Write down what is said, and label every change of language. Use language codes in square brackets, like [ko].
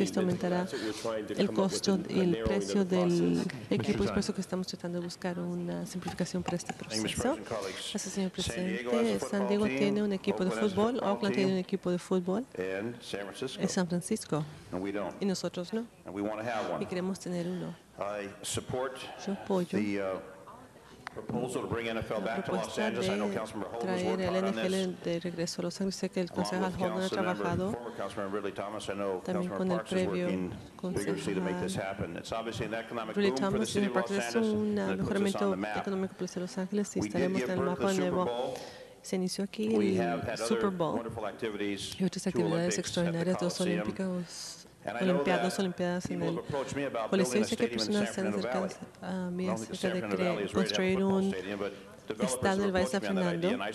[es] Esto aumentará el costo y el precio del equipo. Es por eso que estamos tratando de buscar una simplificación para este proceso. Gracias, señor presidente. San Diego tiene un equipo de fútbol, Oakland tiene un equipo de fútbol, en San Francisco, y nosotros no, y queremos tener uno. [en] I support proposal to bring NFL back to Los Angeles. I know Councilmember Holden has worked hard on this. [es] De regreso a Los Ángeles, sé que el concejal Holden ha trabajado. [en] Former Councilmember Ridley Thomas, I know Councilmember Parks is working vigorously to make this happen. It's obviously an economic boom for the city of Los Angeles, and it puts us on the map. [es] Económico para Los Ángeles, y estaremos en el mapa nuevo. Se inició aquí el Super Bowl. [en] We have had other wonderful activities, [es] extraordinarias, dos olímpicos. Olimpiadas, olimpiadas en el Coliseo. Sé que personas se han acercado a mí acerca de construir un estadio en el Valle San Fernando.